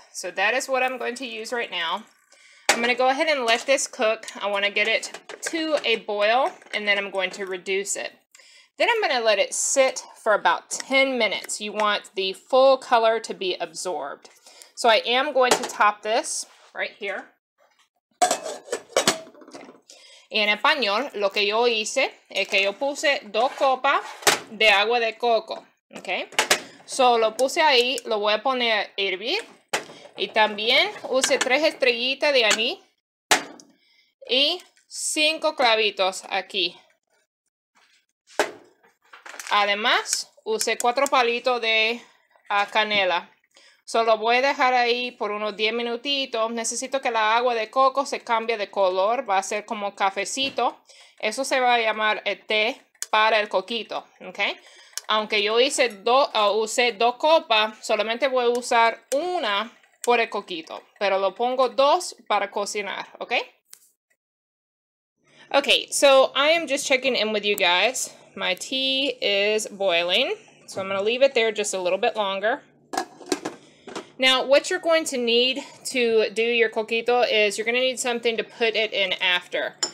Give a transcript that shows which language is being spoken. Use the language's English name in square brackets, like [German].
[English] So that is what I'm going to use right now. I'm going to go ahead and let this cook. I want to get it to a boil, and then I'm going to reduce it. Then I'm going to let it sit for about 10 minutes. You want the full color to be absorbed. So I am going to top this right here. Okay. [Spanish] Y en español, lo que yo hice es que yo puse 2 copas de agua de coco. Okay. So, lo puse ahí, lo voy a poner a hervir, y también use 3 estrellitas de anís, y 5 clavitos aquí. Además, use 4 palitos de canela. So, lo voy a dejar ahí por unos 10 minutitos. Necesito que la agua de coco se cambie de color, va a ser como cafecito. Eso se va a llamar el té para el coquito, ¿ok? Aunque yo hice usé 2 copas, solamente voy a usar 1 por el coquito. Pero lo pongo 2 para cocinar, ¿ok? [English] Ok, so I am just checking in with you guys. My tea is boiling, so I'm going to leave it there just a little bit longer. Now, what you're going to need to do your coquito is you're going to need something to put it in after.